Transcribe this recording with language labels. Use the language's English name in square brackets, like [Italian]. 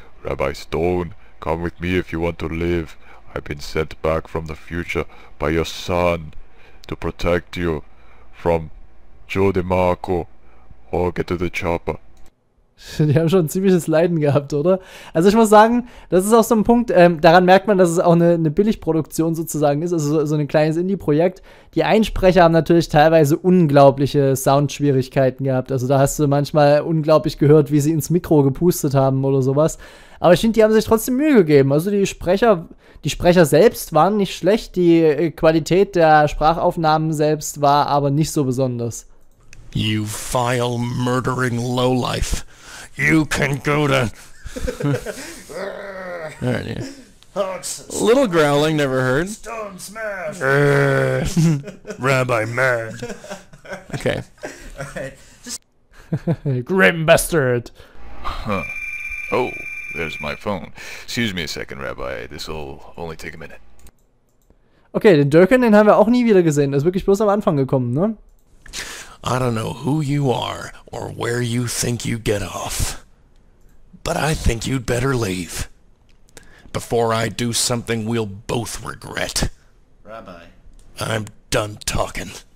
[English] Rabbi Stone, come with me if you want to live. I've been sent back from the future by your son to protect you from Joe DeMarco, or get to the chopper. [German] Die haben schon ein ziemliches Leiden gehabt, oder? Also ich muss sagen, das ist auch so ein Punkt, daran merkt man, dass es auch eine Billigproduktion sozusagen ist, also so ein kleines Indie-Projekt. Die Einsprecher haben natürlich teilweise unglaubliche Soundschwierigkeiten gehabt. Also da hast du manchmal unglaublich gehört, wie sie ins Mikro gepustet haben oder sowas. Aber ich finde, die haben sich trotzdem Mühe gegeben. Also die Sprecher selbst waren nicht schlecht, die Qualität der Sprachaufnahmen selbst war aber nicht so besonders. [English] You vile murdering lowlife. You can go to... All right, yeah. Little growling, never heard. Stone smash! Rabbi mad. Okay. All right. Grim bastard! Huh. Oh, there's my phone. Excuse me a second, Rabbi. This'll only take a minute. [German] Okay, den Durkin, den haben wir auch nie wieder gesehen. Der ist wirklich bloß am Anfang gekommen, ne? [English] I don't know who you are or where you think you get off. But I think you'd better leave. Before I do something we'll both regret. Rabbi. I'm done talking.